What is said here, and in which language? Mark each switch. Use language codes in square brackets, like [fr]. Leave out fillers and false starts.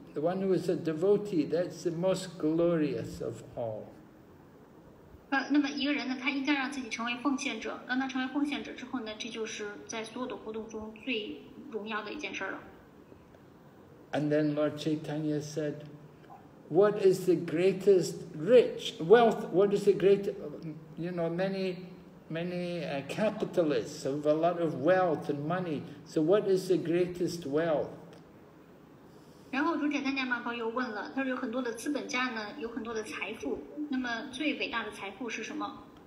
[en] The one who is a devotee, that's the most glorious of all. [zh] 那么一个人呢，他应该让自己成为奉献者。当他成为奉献者之后呢，这就是在所有的活动中最荣耀的一件事了。 [en] And then Lord Chaitanya said, "What is the greatest rich wealth? What is the great, you know, many, many capitalists have a lot of wealth and money. So what is the greatest wealth?" [zh] 然后主持人参加马宝又问了，他说有很多的资本家呢，有很多的财富，那么最伟大的财富是什么？